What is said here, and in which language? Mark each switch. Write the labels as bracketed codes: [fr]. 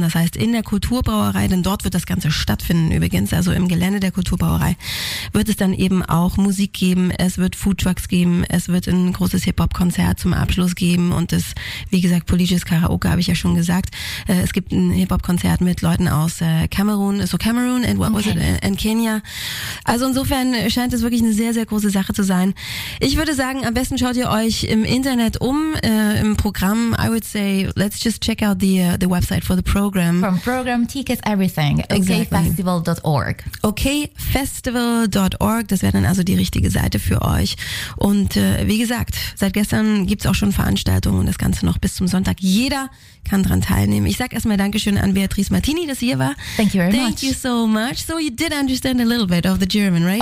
[de] Das heißt, in der Kulturbrauerei, denn dort wird das Ganze stattfinden übrigens, also im Gelände der Kulturbrauerei, wird es dann eben auch Musik geben, es wird Foodtrucks geben, es wird ein großes Hip-Hop-Konzert zum Abschluss geben und es, wie gesagt, politisches Karaoke, habe ich ja schon gesagt. Es gibt ein Hip-Hop-Konzert mit Leuten aus Cameroon, [en] so Cameroon and what was it, and Kenya. [de] Also insofern scheint es wirklich eine sehr, sehr große Sache zu sein. Ich würde sagen, am besten schaut ihr euch im Internet um, im Programm. [en] I would say, let's just check out the website for the program. From program, tickets, everything. Okayfestival.org. [de] Okayfestival.org, das wäre dann also die richtige Seite für euch. Und wie gesagt, seit gestern gibt es auch schon Veranstaltungen und das Ganze noch bis zum Sonntag. Jeder kann dran teilnehmen. Ich sage erstmal Dankeschön an Beatrice Martini, dass sie hier war. [en] Thank you so much. So you did understand a little bit of the German, right?